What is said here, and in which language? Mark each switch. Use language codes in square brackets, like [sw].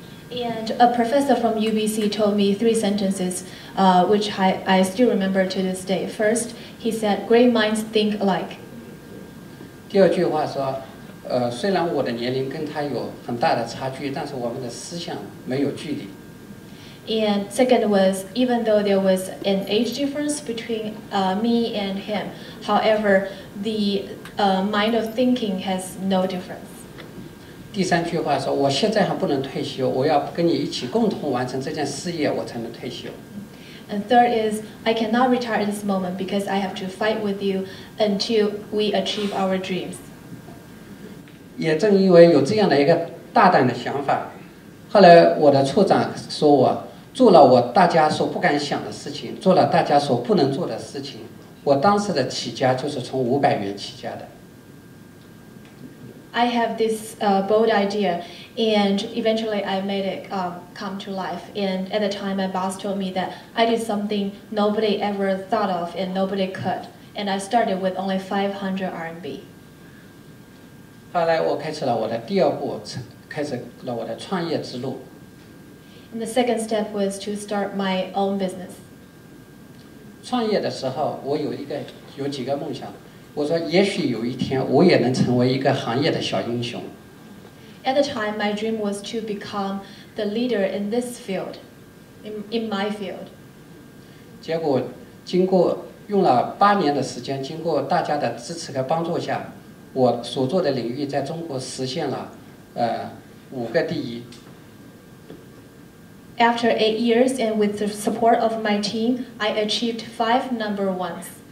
[en] And a professor from UBC told me three sentences, which I still remember to this day. First, he said, "Great minds think alike." [zh] 第二句话说，虽然我的年龄跟他有很大的差距，但是我们的思想没有距离。 [en] And second was, even though there was an age difference between me and him, however, the mind of thinking has no difference. [zh] 第三句话说，我现在还不能退休，我要跟你一起共同完成这件事业，我才能退休。 [en] And third is, I cannot retire at this moment because I have to fight with you until we achieve our dreams. [zh] 也正因为有这样的一个大胆的想法，后来我的处长说我做了我大家所不敢想的事情，做了大家所不能做的事情。我当时的起家就是从500元起家的。 [en] I have this bold idea, and eventually I made it come to life. And at the time, my boss told me that I did something nobody ever thought of and nobody could. And I started with only 500 RMB. [zh] 后来我开始了我的第二步，开始了我的创业之路。 [en] And the second step was to start my own business. [zh] 创业的时候，我有几个梦想。我说也许有一天我也能成为一个行业的小英雄。 [en] At the time, my dream was to become the leader in this field, in my field. [zh] 结果经过用了8年的时间，经过大家的支持和帮助下，我所做的领域在中国实现了5个第一。 [en] After 8 years and with the support of my team, I achieved 5 number 1s.